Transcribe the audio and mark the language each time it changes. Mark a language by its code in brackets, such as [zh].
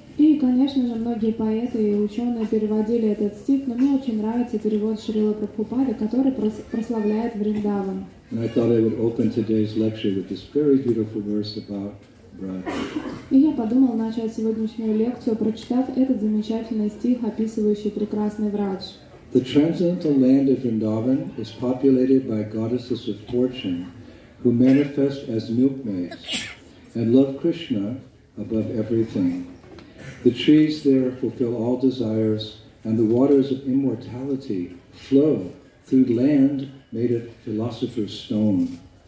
[ru] И, конечно же, многие поэты и ученые переводили этот стих, но мне очень нравится перевод Шрила Прабхупады, который прославляет Вриндаван. [en] And I thought I would open today's lecture with this very beautiful verse about Braj. [ru] И я подумал начать сегодняшнюю лекцию, прочитав этот замечательный стих, описывающий прекрасный Врадж. [en] The transcendental land of Vrindavan is populated by goddesses of fortune who manifest as milkmaids and love Krishna above everything. The trees there fulfill all desires and the waters of immortality flow through land made of philosopher's stone.